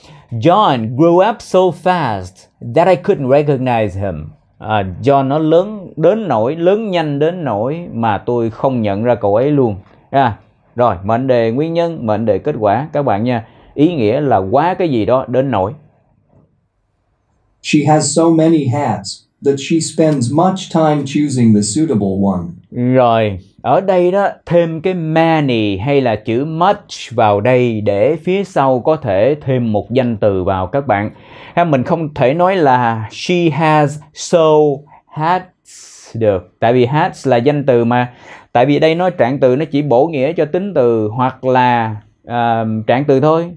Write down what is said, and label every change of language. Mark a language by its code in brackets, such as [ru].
[en] John grew up so fast that I couldn't recognize him. [vi] John nó lớn đến nỗi, lớn nhanh đến nỗi mà tôi không nhận ra cậu ấy luôn. Rồi, mệnh đề nguyên nhân, mệnh đề kết quả các bạn nha. Ý nghĩa là quá cái gì đó đến nỗi. [en] She has so many hats that she spends much time choosing the suitable one. [vi] Rồi, ở đây đó, thêm cái many hay là chữ much vào đây để phía sau có thể thêm một danh từ vào các bạn. Hay mình không thể nói là [en] she has so hats [vi] được. Tại vì hats là danh từ mà. Tại vì đây nó trạng từ, nó chỉ bổ nghĩa cho tính từ hoặc là trạng từ thôi.